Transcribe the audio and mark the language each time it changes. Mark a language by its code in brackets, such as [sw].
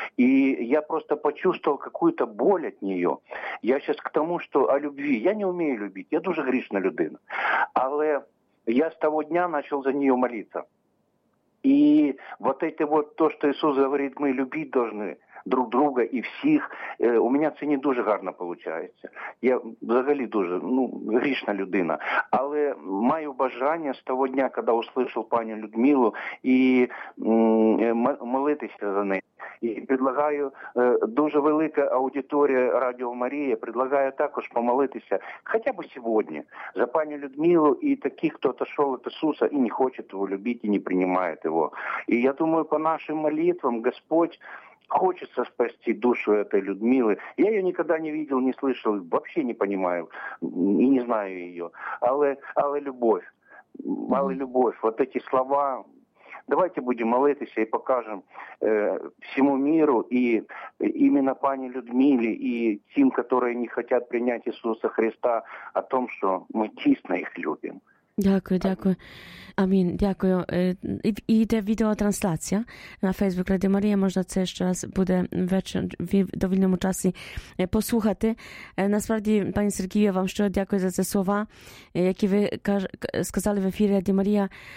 [ru] И я просто почувствовал какую-то боль от нее. Я сейчас к тому, что о любви. Я не умею любить. [uk] Я дуже грішна людина. Але [ru] я с того дня начал за нее молиться. И то, что Иисус говорит, мы любить должны друг друга и всех, у меня [uk] це не дуже гарно [ru] получается. [uk] Я взагалі дуже, грішна людина. Але маю бажання з того дня, коли [ru] услышав [uk] пані Людмилу, і молитися за неї. І [ru] предлагаю, [uk] дуже велика аудиторія Радіо Марія, предлагаю також помолитися, хоча б сьогодні, за пані Людмилу і таких, хто [ru] отошов [uk] від Ісуса і не хоче його любити, і не приймає його. [ru] І я думаю, по нашим молитвам Господь хочется спасти душу этой Людмилы. Я ее никогда не видел, не слышал, вообще не понимаю и не знаю ее. [uk] Але [ru] любовь, вот эти слова. Давайте будем молиться и покажем всему миру и именно пане Людмиле и тем, которые не хотят принять Иисуса Христа, о том, что мы тесно их любим. [uk] Дякую, дякую. Амін, дякую. І йде відеотрансляція на Facebook Радіо Марія. Можна це ще раз буде ввечері, в довільному часі послухати. Насправді, пані Сергію, вам щиро дякую за ці слова, які ви сказали в ефірі Радіо Марія.